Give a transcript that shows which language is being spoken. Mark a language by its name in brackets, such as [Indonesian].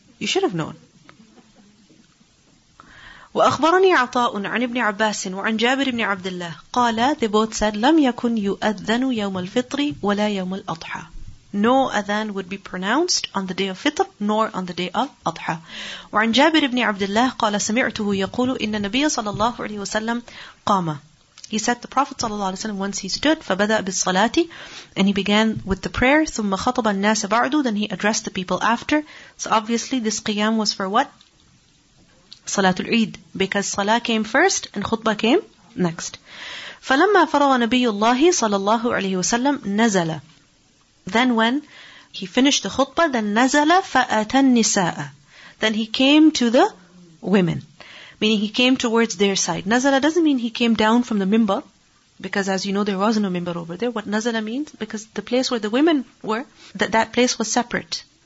[English] You should have known. [Arabic] وَأَخْبَرَنِي عَطَاءٌ عَنِ ابْنِ عَبَّاسٍ وَعَنْ جَابِرِ ابْنِ عَبْدِ اللَّهِ قَالَ, [English] they both said, [Arabic] لَمْ يَكُنْ يُؤَذَّنُ يَوْمَ الْفِطْرِ وَلَا يَوْمَ الْأَضْحَى. [English] No adhan would be pronounced on the day of Fitr nor on the day of Adha. [Arabic] وعن جابر بن عبد الله قال سمعته يقول إن النبي صلى الله عليه وسلم قام. [English] He said the Prophet صلى الله عليه وسلم, once he stood, [Arabic] فبدأ بالصلاة, [English] and he began with the prayer, [Arabic] ثم خطب الناس بعده, [English] then he addressed the people after. So obviously this qiyam was for what? [Arabic] صلاة العيد, [English] because صلاة came first and خطبة came next. [Arabic] فلما فرغ نبي الله صلى الله عليه وسلم نزل. [English] Then when he finished the khutbah, then [Arabic] نزل فأتى النساء. [English] Then he came to the women. Meaning he came towards their side. نزل doesn't mean he came down from the minbar. Because as you know, there was no minbar over there. What nazala means? Because the place where the women were, that place was separate.